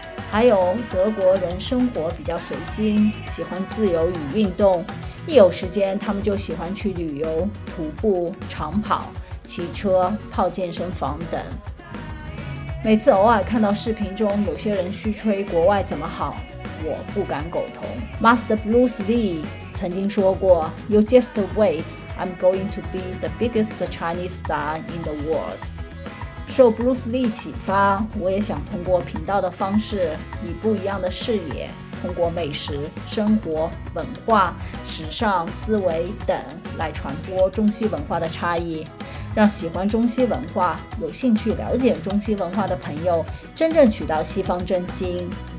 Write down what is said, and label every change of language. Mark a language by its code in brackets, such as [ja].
[zh] 还有德国人生活比较随心，喜欢自由与运动，一有时间他们就喜欢去旅游、徒步、长跑、骑车、泡健身房等。每次偶尔看到视频中有些人虚吹国外怎么好，我不敢苟同。 [en] Master Bruce Lee [zh] 曾经说过， [en] You just wait, I'm going to be the biggest Chinese star in the world。 [zh] 受 Bruce Lee 启发，我也想通过频道的方式，以不一样的视野，通过美食、生活、文化、时尚、思维等来传播中西文化的差异，让喜欢中西文化、有兴趣了解中西文化的朋友真正取到西方真经。